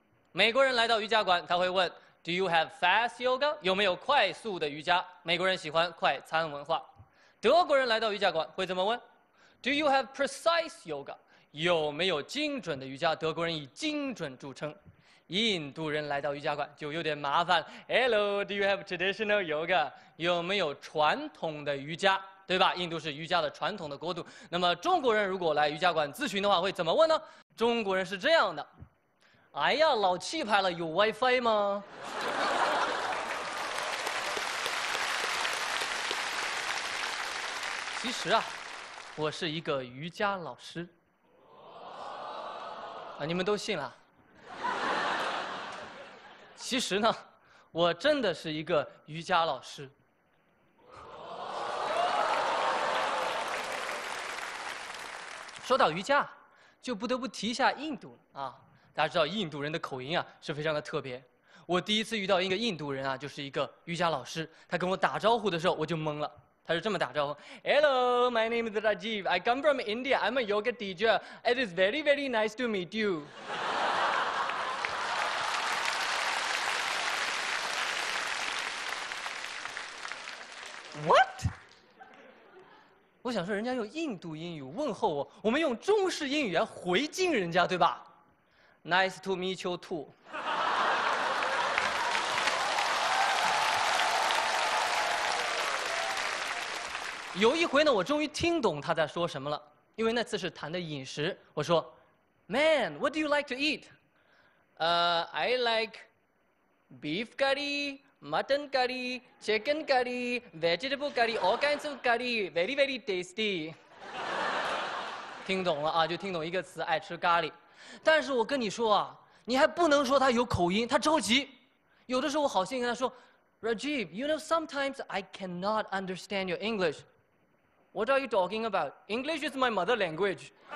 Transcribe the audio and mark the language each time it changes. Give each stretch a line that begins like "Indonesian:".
Chinese: 美国人来到瑜伽馆，他会问
English: Do you have fast yoga?
Chinese: 有没有快速的瑜伽？美国人喜欢快餐文化。德国人来到瑜伽馆会怎么问？
English: Do you have precise yoga?
Chinese: 有没有精准的瑜伽？德国人以精准著称。印度人来到瑜伽馆就有点麻烦。
English: Hello, do you have traditional yoga?
Chinese: 有没有传统的瑜伽？对吧？印度是瑜伽的传统的国度。那么中国人如果来瑜伽馆咨询的话，会怎么问呢？中国人是这样的：哎呀，老气派了，有 WiFi 吗？其实啊，我是一个瑜伽老师。啊，你们都信了。其实呢，我真的是一个瑜伽老师。说到瑜伽，就不得不提一下印度了啊！大家知道印度人的口音啊是非常的特别。我第一次遇到一个印度人啊，就是一个瑜伽老师，他跟我打招呼的时候我就懵了。他是这么打招呼
English: ：Hello, my name is Rajiv. I come from India. I'm a yoga teacher. It is very, very nice to meet you.
Chinese: 我想说，人家用印度英语问候我，我们用中式英语来回敬人家，对吧 ？
English: Nice to meet you too.
Chinese: 有一回呢，我终于听懂他在说什么了，因为那次是谈的饮食。我说
English: ，Man, what do you like to eat? I like beef curry. Mutton curry, chicken curry, vegetable curry, all kinds of curry, very, very tasty.
Chinese: 听懂了啊，就听懂一个词，爱吃咖喱。但是我跟你说啊，你还不能说他有口音，他着急。有的时候我好心跟他说
English: ，Rajiv, you know sometimes I cannot understand your English. What are you talking about? English is my mother language.